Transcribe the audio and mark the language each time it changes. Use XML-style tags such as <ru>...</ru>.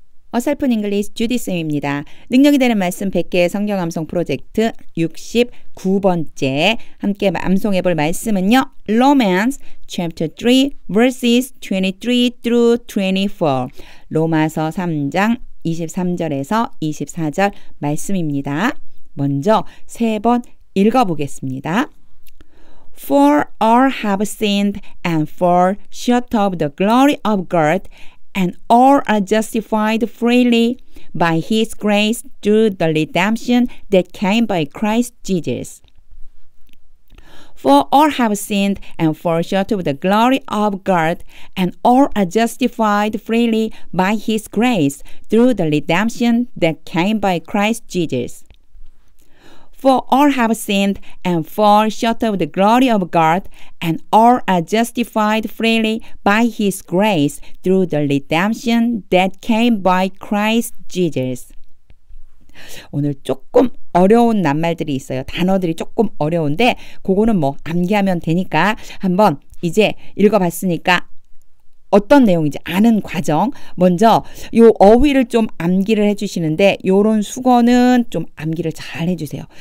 <ko>어설픈 잉글리시 주디쌤입니다. 능력이 되는 말씀 100개의 성경 암송 프로젝트 69번째 함께 암송해 볼 말씀은요.</ko> <en>Romans chapter 3 verses 23 through 24.</en> <ko>로마서 3장 23절에서 24절 말씀입니다. 먼저 세 번 읽어 보겠습니다.</ko> <en>For all have sinned and fall short of the glory of God, and all are justified freely by His grace through the redemption that came by Christ Jesus. For all have sinned and fall short of the glory of God, and all are justified freely by His grace through the redemption that came by Christ Jesus. For all have sinned and fall short of the glory of God, and all are justified freely by His grace through the redemption that came by Christ Jesus.</en> <ko>오늘 조금 어려운 낱말들이 있어요. 단어들이 조금 어려운데 그거는 뭐 암기하면 되니까 한번 이제 읽어봤으니까 어떤 내용인지 아는 과정. 먼저 요 어휘를 좀 암기를 해주시는데 요런 수거는 좀 암기를 잘 해주세요.</ko>